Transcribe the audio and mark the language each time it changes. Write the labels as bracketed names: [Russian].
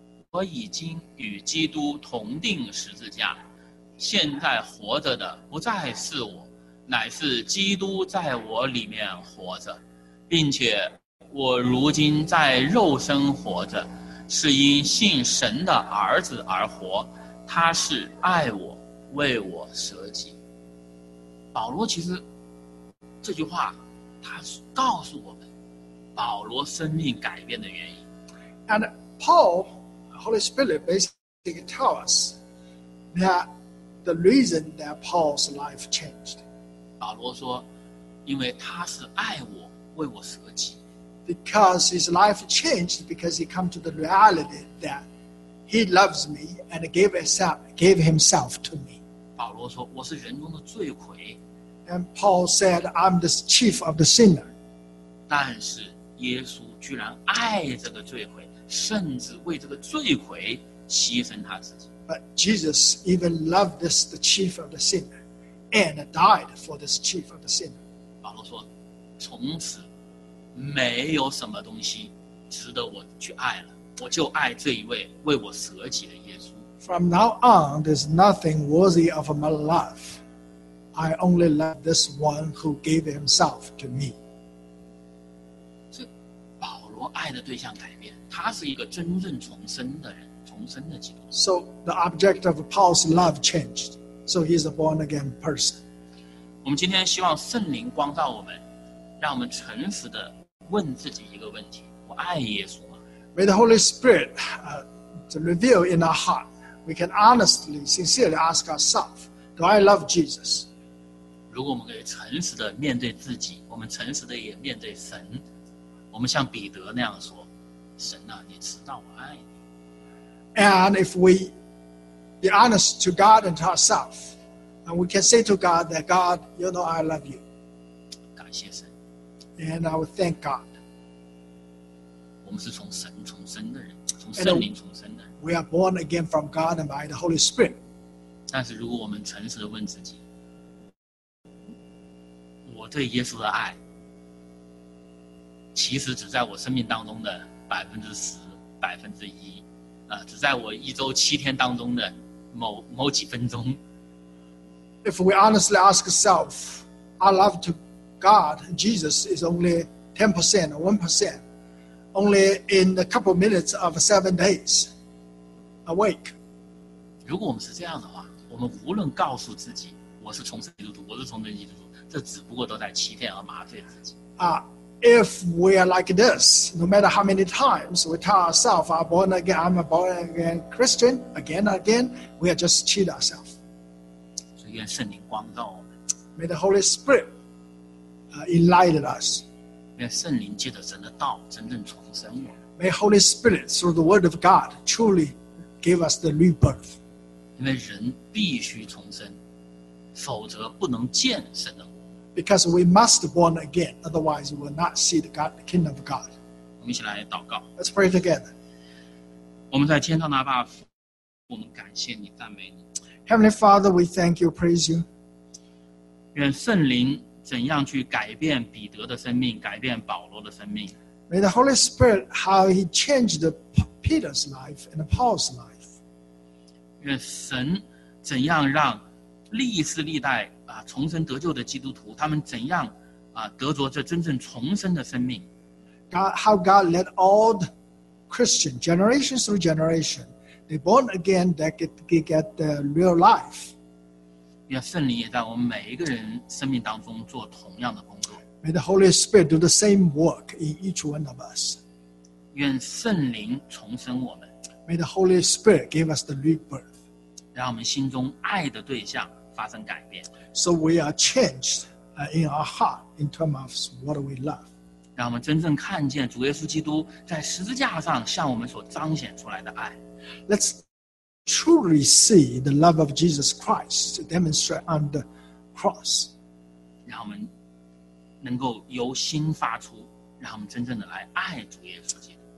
[Chinese] 我已经与基督同钉十字架，现在活着的不再是我，乃是基督在我里面活着，并且我如今在肉身活着，是因信神的儿子而活，他是爱我，为我舍己。保罗其实这句话，他告诉我们保罗生命改变的原因。 [English] And PaulHoly Spirit basically tells us that the reason that Paul's life changed. [Chinese] 保罗说，因为他是爱我，为我舍己。 [English] Because his life changed because he come to the reality that he loves me and gave himself to me. [Chinese] 保罗说，我是人中的罪魁。 [English] And Paul said, I'm the chief of the sinner. [Chinese] 但是耶稣居然爱这个罪魁。甚至为这个罪魁牺牲他自己。 [English] But Jesus even loved this the chief of the sinner, and died for this chief of the sinner. [Chinese] 保罗说，从此没有什么东西值得我去爱了，我就爱这一位为我舍己的耶稣。 [English] From now on, there's nothing worthy of my life. I only love this one who gave himself to me. [Chinese] 这保罗爱的对象改变。他是一个真正重生的人，重生的基督徒。 [English] So the object of Paul's love changed. So he's a born again person. [Chinese] 我们今天希望圣灵光照我们，让我们诚实的问自己一个问题：我爱耶稣吗？ [English] May the Holy Spirit to reveal in our heart, we can honestly, sincerely ask ourselves, Do I love Jesus? [Chinese] 如果我们可以诚实的面对自己，我们诚实的也面对神，我们像彼得那样说。神啊，你知道我爱你。 [English] And if we be honest to God and to ourselves, and we can say to God that God, you know I love you. [Chinese] 感谢神。 [English] And I will thank God. [Chinese] 我们是从神重生的人，从圣灵重生的人。 [English] We are born again from God and by the Holy Spirit. [Chinese] 但是如果我们诚实地问自己，我对耶稣的爱，其实只在我生命当中的10%, 1%, 只在我一周7天当中的某几分钟。 [English] if we honestly ask ourselves, our love to God, Jesus, is only 10% or 1%, only in a couple of minutes of 7 days awake. [Chinese] 如果我们是这样的话，我们无论告诉自己我是重生基督徒，我是重生基督徒，这只不过都在欺骗和麻醉自己。 [English] If we are like this, no matter how many times we tell ourselves, "I'm born again," "I'm a born again Christian," again and again, we are just cheating ourselves. [Chinese] 所以愿圣灵光照我们。 [English] May the Holy Spirit enlighten us. [Chinese] 愿圣灵借着神的道真正重生我们。 [English] May Holy Spirit through the Word of God truly give us the rebirth. [Chinese] 因为人必须重生，否则不能见神的。 [English] Because we must be born again, otherwise we will not see the, God, the kingdom of God. [Chinese] 我们一起来祷告。 [English] Let's pray together. [Chinese] 我们在天上的阿爸父，我们感谢你，赞美你。 [English] Heavenly Father, we thank you, praise you. [Chinese] 愿圣灵怎样去改变彼得的生命，改变保罗的生命。 [English] May the Holy Spirit how he changed Peter's life and Paul's life. [Chinese] 愿神怎样让历世历代重生得救的基督徒，他们怎样得着这真正重生的生命。 [English] God, how God led all the Christian generation through generation, they born again, they get the real life. [Chinese] 愿圣灵也在我们每一个人生命当中做同样的工作。 [English] May the Holy Spirit do the same work in each one of us. [Chinese] 愿圣灵重生我们。 [English] May the Holy Spirit give us the rebirth. [Chinese] 让我们心中爱的对象发生改变。 [English] So we are changed in our heart in terms of what we love. [Chinese] 让我们真正看见主耶稣基督在十字架上向我们所彰显出来的爱。 [English] Let's truly see the love of Jesus Christ demonstrated on the cross. [Chinese] 让我们能够由心发出，让我们真正的来爱主耶稣基督。